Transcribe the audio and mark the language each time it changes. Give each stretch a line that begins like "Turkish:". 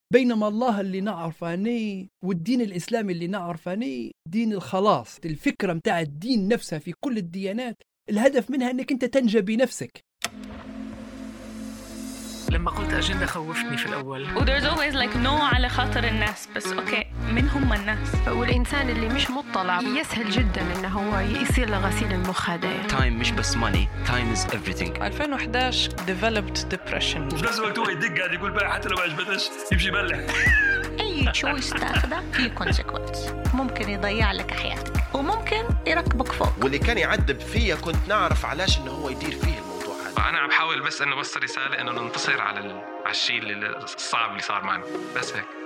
Arabic: بينما الله اللي نعرفاني والدين الإسلامي اللي نعرفاني دين الخلاص، الفكرة متاع الدين نفسها في كل الديانات الهدف منها أنك أنت تنجى بنفسك. لما قلت أجندة خوفني في الأول.
English: There's always like no
Arabic: على خاطر الناس، بس أوكي من هم الناس؟ والإنسان اللي مش مطلع يسهل جدا إنه هو يصير لغسيل المخ هذا.
English: Time
Arabic: مش بس
English: money, time is everything. 2011 developed depression.
Arabic: وفي نفس الوقت هو يدق قاعد يقول بقى حتى لو ما عجبتش يمشي بلع. أي choice تأخذه في consequence ممكن يضيع لك حياتك وممكن يركبك فوق. واللي كان يعذب فيه كنت نعرف علاش إنه هو يدير فيه. أنا عم بحاول بس أنه بس رسالة أنه ننتصر على الشيء الصعب اللي صار معنا، بس هيك.